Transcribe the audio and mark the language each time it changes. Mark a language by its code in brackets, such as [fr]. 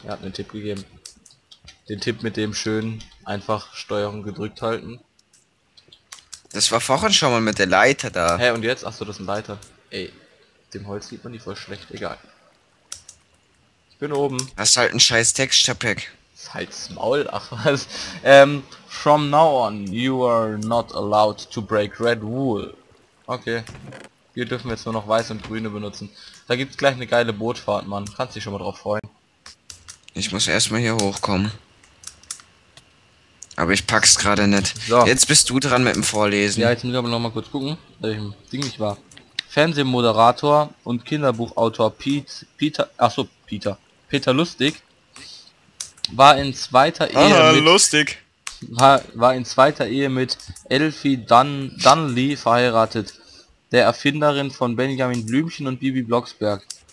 [de] Er hat einen Tipp gegeben. Den Tipp mit dem schönen, einfach Steuerung gedrückt halten. Das war vorhin schon mal mit der Leiter da. Hä, und jetzt? Achso, das ist ein Leiter. Ey, dem Holz sieht man die voll schlecht, egal. Ich bin oben. Hast halt ein scheiß Texture-Pack. Halt's Maul, ach was. [en] From now on, you are not allowed to break red wool. Okay. [de] Wir dürfen jetzt nur noch weiß und grüne benutzen. Da gibt's gleich eine geile Bootfahrt, Mann. Kannst dich schon mal drauf freuen. Ich muss erstmal hier hochkommen. Aber ich pack's gerade nicht. So. Jetzt bist du dran mit dem Vorlesen. Ja, jetzt müssen wir aber nochmal kurz gucken, welchem Ding ich war. Fernsehmoderator und Kinderbuchautor Peter Lustig war in zweiter Ehe war in zweiter Ehe mit Elfie Dunley verheiratet, der Erfinderin von Benjamin Blümchen und Bibi Blocksberg.